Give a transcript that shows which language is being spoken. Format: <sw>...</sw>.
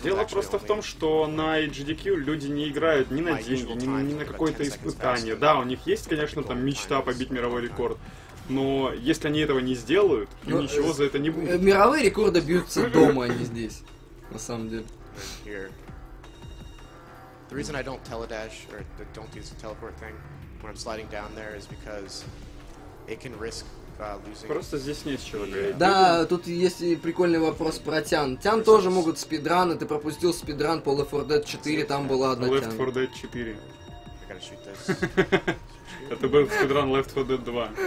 <ru>Дело просто в том, что на IGDQ люди не играют ни на деньги, ни на какое-то испытание. Да, у них есть, конечно, там мечта побить мировой рекорд, но если они этого не сделают, им ничего за это не будет. Мировые рекорды бьются дома, а не здесь, на самом деле.</ru> <en>The reason I don't teledash, or don't use the teleport thing when I'm sliding down there is because it can risk losing.</en> <ru>Просто здесь нет человека. Да, тут есть и прикольный вопрос про тян. Тян тоже могут спидран, и ты пропустил спидран по Left 4 Dead 4, там была одна тян. Left 4 Dead 4. Это был спидран Left 4 Dead 2.</ru>